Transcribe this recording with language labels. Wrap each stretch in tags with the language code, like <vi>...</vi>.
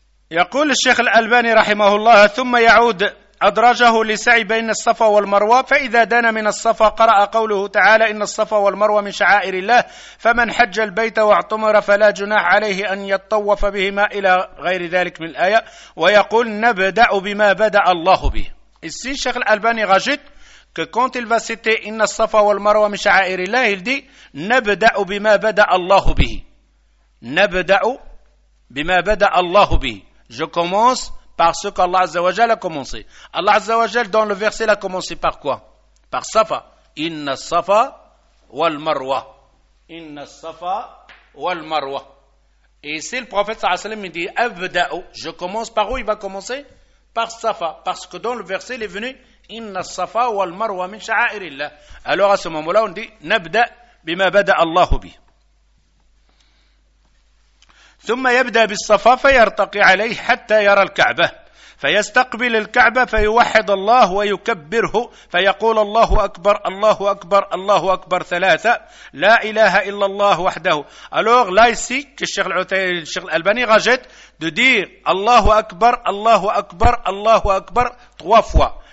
<ar>يقول الشيخ الألباني رحمه الله ثم يعود أدرجه لسعي بين الصفا والمروة فإذا دنا من الصفا قرأ قوله تعالى إن الصفا والمروة من شعائر الله فمن حج البيت واعتمر فلا جناح عليه أن يطوف بهما إلى غير ذلك من الآية ويقول نبدأ بما بدأ الله به.</ar> <fr>ici</fr> <ar>الشيخ الألباني</ar> <fr>rajoute que quand il va citer</fr> <ar>إن الصفا والمروة من شعائر الله</ar> <fr>il dit</fr> <ar>نبدأ بما بدأ الله به. نبدأ بما بدأ الله به.</ar> <fr>Je commence par ce qu'Allah Azza wa Jal a commencé. Allah Azza wa Jal dans le verset l'a commencé par quoi? Par Safa.</fr> <ar>Inna Safa wal Marwa. Inna Safa wal Marwa.</ar> <fr>Et ici le prophète sallallahu alayhi wa sallam il dit je commence par où il va commencer? Par Safa. Parce que dans le verset il est venu</fr> <ar>Inna Safa wal Marwa min sha'airillah.</ar> <fr>Alors à ce moment là on dit</fr> <ar>Nabda bima bada Allahu bi. ثم يبدأ بالصفا فيرتقي عليه حتى يرى الكعبة فيستقبل الكعبة فيوحد الله ويكبره فيقول الله أكبر الله أكبر الله أكبر ثلاثة لا إله إلا الله وحده.</ar> <fr>alors là ici que</fr> <ar>الشيخ العثيمين الشيخ الألباني</ar> <fr>rajoute de dire</fr> <ar>الله أكبر الله أكبر الله أكبر</ar> <fr>trois fois.</fr>